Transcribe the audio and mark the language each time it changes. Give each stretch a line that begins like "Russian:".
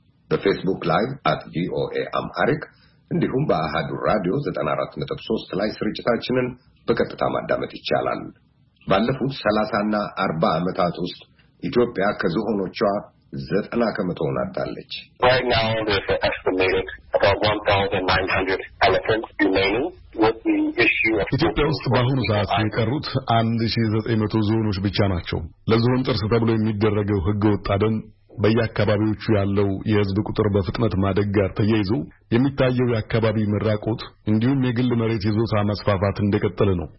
Amharic: በፌስቡክ ላይቭ አት ቪኦኤ አምሃሪክ እንዲሁም በአሃዱ ራዲዮ 94.3 ላይ ስርጭታችንን በቀጥታ ማዳመጥ ይቻላል። ባለፉት 30 እና 40 ዓመታት ውስጥ ኢትዮጵያ ከዝሆኖቿ 90 ከመቶ ሆናታለች።
English: Right now there's an estimated about 1900 elephants remaining.
Amharic: ኢትዮጵያ ውስጥ በአሁኑ ሰዓት የቀሩት 1900 ዝሆኖች ብቻ ናቸው። ለዝሆን ጥርስ ተብሎ የሚደረገው ህገ ወጥ አደን፣ በየአካባቢዎቹ ያለው የህዝብ ቁጥር በፍጥነት ማደግ ጋር ተያይዞ የሚታየው የአካባቢ መራቆት እንዲሁም የግል መሬት ይዞታ መስፋፋት እንደቀጠለ ነው።